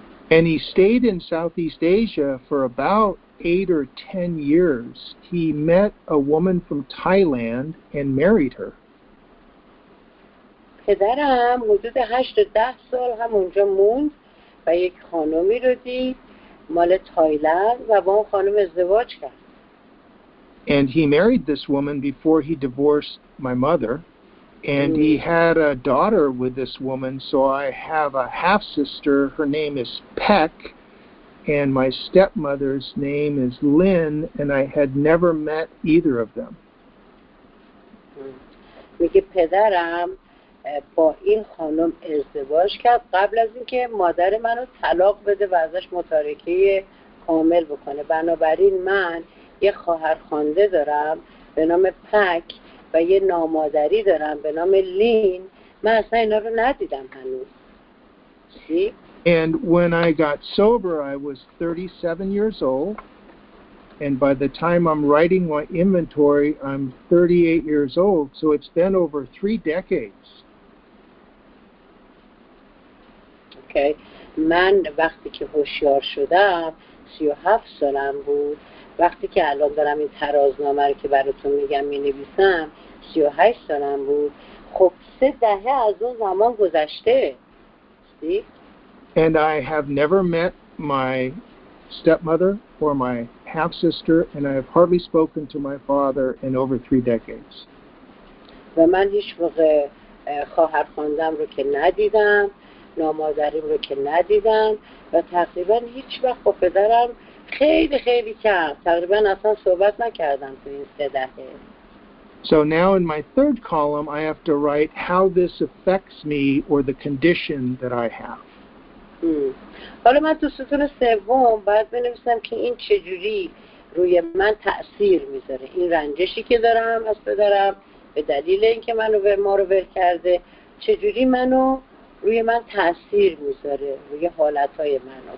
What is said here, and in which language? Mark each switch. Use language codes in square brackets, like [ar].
[en] And he stayed in Southeast Asia for about 8 or 10 years. He met a woman from Thailand and married her. [fa] پدرم حدود 8 تا 10 سال هم اونجا موند و یک خانومی رو دید مال تایلند و با اون خانم ازدواج کرد. [en] And he married this woman before he divorced my mother, and he had a daughter with this woman, so I have a half sister. Her name is Peck. And my stepmother's name is Lynn, and I had never met either of them. [fa] میگه پدرم با این خانم ازدواج کرد قبل از اینکه مادر منو طلاق بده و ازش متارکه کامل بکنه. بنابراین من یه خواهر خوانده دارم به نام پک و یه نامادری دارم به نام لین. من اصلا اینا رو ندیدم هنوز. [en] And when I got sober, I was 37 years old. And by the time I'm writing my inventory, I'm 38 years old. So it's been over 3 decades. Okay. [fa] من وقتی که هوشیار شدم 37 سالم بود. وقتی که الان دارم این ترازنامه رو که براتون میگم می نویسم 38 سالم بود. خب سه دهه از اون زمان گذشته. [en] And I have never met my stepmother or my half sister, and I have hardly spoken to my father in over 3 decades. [fa] و من هیچ موقع خواهر خواندم رو که ندیدم، نامادریم رو که ندیدم و تقریبا هیچ وقت با پدرم خیلی خیلی کم، تقریبا اصلا صحبت نکردم تو این سه دهه. [en] So now in my third column I have to write how this affects me or the condition that I have. [fa] حالا من تو ستون سوم باید بنویسم که این چجوری روی من تأثیر میذاره، این رنجشی که دارم از پدرم به دلیل اینکه منو به ما رو ول کرده چجوری منو روی من تأثیر میذاره، روی حالتهای من.